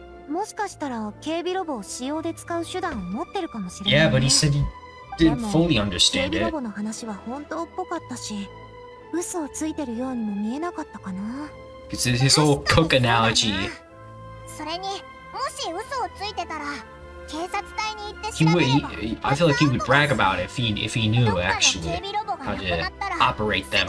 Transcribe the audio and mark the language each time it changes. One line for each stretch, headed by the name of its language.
Japanese: もしかしたら警備ロボを使用で使う手段を持ってるかもしれない、ね。
English: Yeah, but he said he didn't fully understand it.
Japanese: 警備ロボの話は本当っぽかったし、嘘をついてるようにも見えなかったかな。
English: It's his whole cook analogy.
Japanese: それにもし嘘をついてたら警察隊に行って調べれば。
English: I feel like he would brag about it if he knew actually how to operate them.